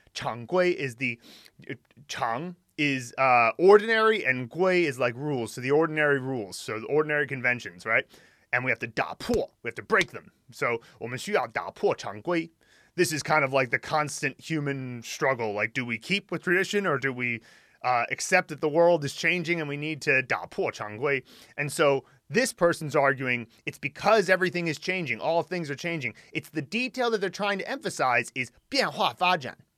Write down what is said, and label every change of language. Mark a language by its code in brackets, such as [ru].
[en] 常规 is the, 常 is ordinary and 规 is like rules. So the ordinary rules. So the ordinary conventions, right? And we have to 打破, we have to break them. [zh] So 我们需要打破常规. [en] This is kind of like the constant human struggle. Like, do we keep with tradition or do we accept that the world is changing and we need to 打破常规? And so this person's arguing it's because everything is changing. All things are changing. It's the detail that they're trying to emphasize is 变化发展.